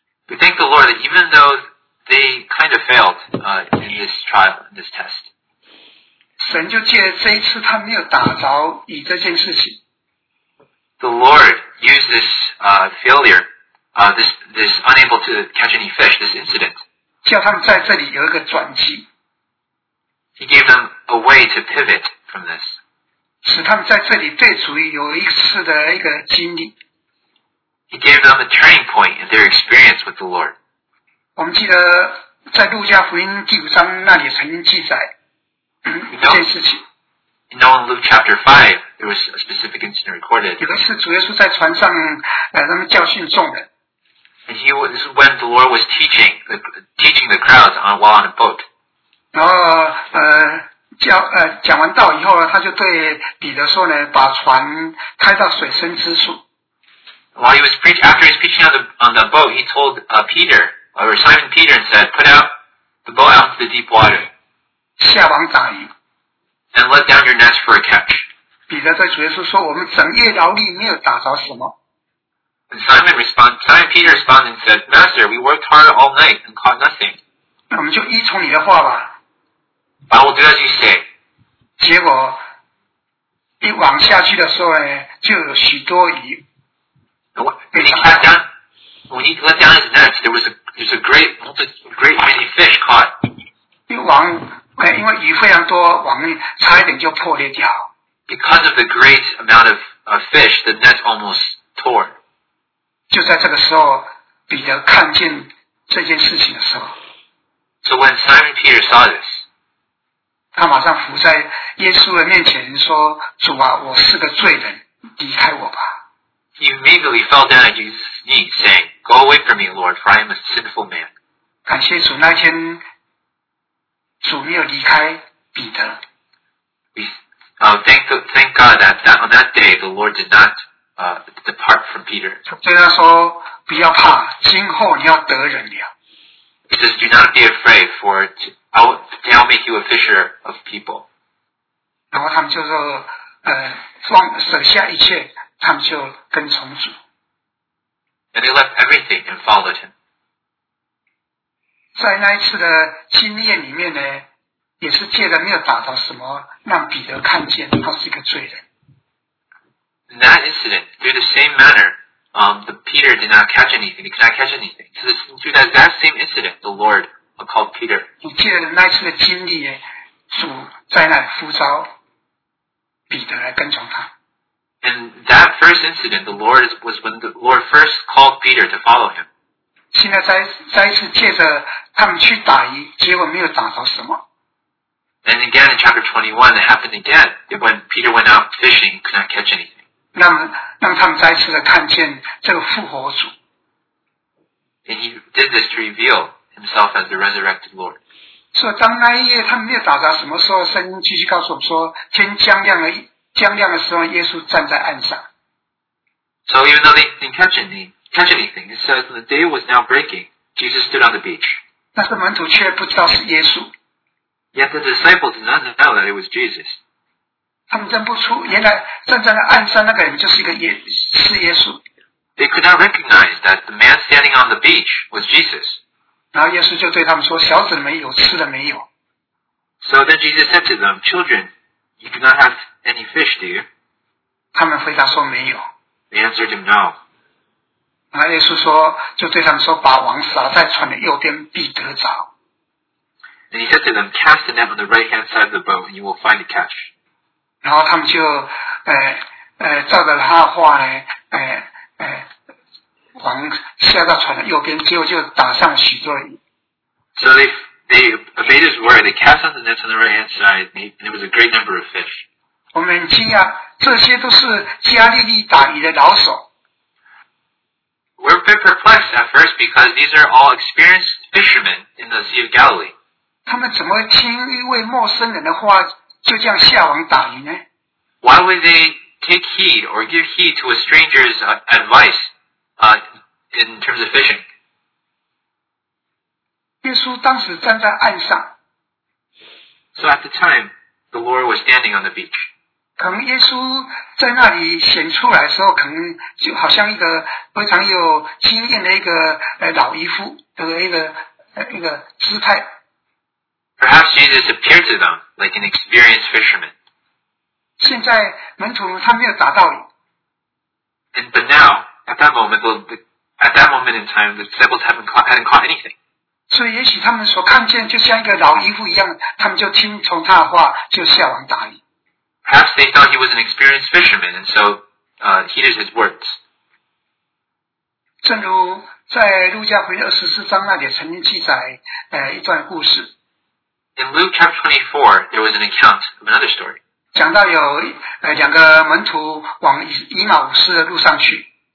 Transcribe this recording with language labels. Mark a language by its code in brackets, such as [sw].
[en] We thank the Lord that even though they kind of failed in this trial, in this test. [zh] 神就借这一次他没有打着以这件事情。 [en] The Lord used this failure, this unable to catch any fish, this incident. [zh] 叫他们在这里有一个转机。 [en] He gave them a way to pivot from this. [zh] 使他们在这里对主有一次的一个经历。 [en] He gave them a turning point in their experience with the Lord. [zh] 我们记得在路加福音第5章那里曾经记载。 [en] You know, in Luke chapter 5, there was a specific incident recorded. And this is when the Lord was teaching the crowds while on a boat. [zh] 然后讲完道以后呢，他就对彼得说呢，把船开到水深之处。 [en] While he was preaching, after he was preaching on the boat, he told Peter, or Simon Peter, and said, "Put out the boat out to the deep water." [zh] 下网打鱼。 [en] And let down your nets for a catch. [zh] 彼得对主耶稣说，我们整夜劳力没有打着什么。 [en] And Simon Peter responded and said, "Master, we worked hard all night and caught nothing." [zh] 那我们就依从你的话吧。 [en] I will do as you say. [zh] 结果一网下去的时候呢，就有许多鱼。 [en] When he let down his nets, there was a great many fish caught. [zh] 因为鱼非常多，网差一点就破裂掉。 [en] Because of the great amount of fish, the nets almost tore. [zh] 就在这个时候，彼得看见这件事情的时候。 [en] So when Simon Peter saw this, [zh] 他马上伏在耶稣的面前说：“主啊，我是个罪人，离开我吧。” [en] He immediately fell down at Jesus' knees, saying, "Go away from me, Lord, for I am a sinful man." [zh] 感谢主，那天主没有离开彼得。 [en] Thank God that on that day the Lord did not depart from Peter. [zh] 对他说，不要怕，今后你要得人了。 [en] He says, "Do not be afraid, for I'll make you a fisher of people." [zh] 然后他们就说，放舍下一切。他们就跟从主。 [en] And they left everything and followed him. [zh] 在那一次的经验里面呢，也是借着没有打到什么，让彼得看见他是一个罪人。 [en] In that incident, through the same manner, Peter did not catch anything. He could not catch anything. So through that same incident, the Lord called Peter. [zh] 借着那一次的经历，主在那里呼召彼得来跟从他。 [en] And that first incident, the Lord was when the Lord first called Peter to follow him. [zh] 现在再一次借着他们去打鱼，结果没有打着什么。 [en] And again in chapter 21, it happened again. When Peter went out fishing, could not catch anything. [zh] 让他们再一次的看见这个复活主。 [en] And he did this to reveal himself as the resurrected Lord. [zh] 所以当那一夜他们没有打着什么时候，圣经继续告诉我们说，天将亮了。将亮的时候，耶稣站在岸上。 [en] So even though they didn't catch anything, it says the day was now breaking. Jesus stood on the beach. [zh] 但是门徒却不知道是耶稣。 [en] Yet the disciples did not know that it was Jesus. [zh] 他们认不出，原来站在那岸上那个人就是一个是耶稣。 [en] They could not recognize that the man standing on the beach was Jesus. [zh] 然后耶稣就对他们说：“小子们，有吃的没有？” [en] So then Jesus said to them, "Children, you do not have." Any fish, do you? [zh] 他们回答说没有。 [en] They answered him no. [zh] 然后耶稣说，就对他们说，把网撒在船的右边，必得着。 [en] And he said to them, "Cast the net on the right hand side of the boat, and you will find a catch." [zh] 然后他们就照着他的话呢，网下到船的右边，结果就打上许多鱼。 [en] So they obeyed his word. They cast out the nets on the right hand side, and it was a great number of fish. [zh] 我们很惊讶，这些都是加利利打鱼的老手。 [en] We're a bit perplexed at first because these are all experienced fishermen in the Sea of Galilee. [zh] 他们怎么听一位陌生人的话，就这样下网打鱼呢？ [en] Why would they take heed or give heed to a stranger's advice, in terms of fishing? [zh] 耶稣当时站在岸上。 [en] So at the time, the Lord was standing on the beach. [zh] 可能耶稣在那里显出来的时候，可能就好像一个非常有经验的一个老渔夫的一个姿态。 [en] Perhaps Jesus appeared to them like an experienced fisherman. [zh] 现在门徒他没有打到鱼。 [en] And but now, at that moment, in time, the disciples hadn't caught anything. [zh] 所以也许他们所看见就像一个老渔夫一样，他们就听从他的话，就下网打鱼。 [en] Perhaps they thought he was an experienced fisherman, and so heeded his words. [zh] 正如在路加福音24章那里曾经记载一段故事。 [en] In Luke chapter 24, there was an account of another story. [zh] 讲到有两个门徒往以马忤斯的路上去。